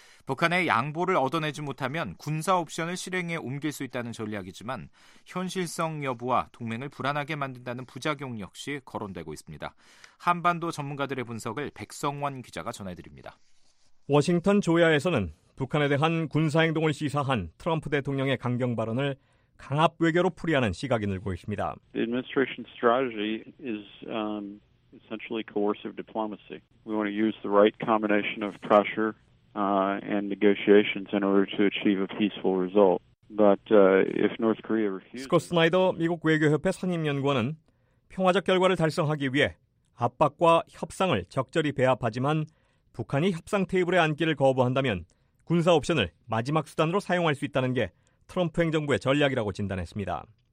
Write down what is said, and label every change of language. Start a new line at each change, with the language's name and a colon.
Korean: 북한의 양보를 얻어내지 못하면 군사 옵션을 실행에 옮길 수 있다는 전략이지만 현실성 여부와 동맹을 불안하게 만든다는 부작용 역시 거론되고 있습니다. 한반도 전문가들의 분석을 백성원 기자가 전해드립니다. 워싱턴 조야에서는 북한에 대한 군사 행동을 시사한 트럼프 대통령의 강경 발언을 강압 외교로 풀이하는 시각이 늘고 있습니다.
English: The administration's strategy is essentially coercive diplomacy. We want to use the right combination of pressure and negotiations in order to achieve a peaceful result. But if North Korea refuses,
Korean: 스콧 스나이더 미국 외교협회 선임연구원은 평화적 결과를 달성하기 위해 압박과 협상을 적절히 배합하지만 북한이 협상 테이블에 앉기를 거부한다면 군사 옵션을 마지막 수단으로 사용할 수 있다는 게 트럼프 행정부의 전략이라고 진단했습니다.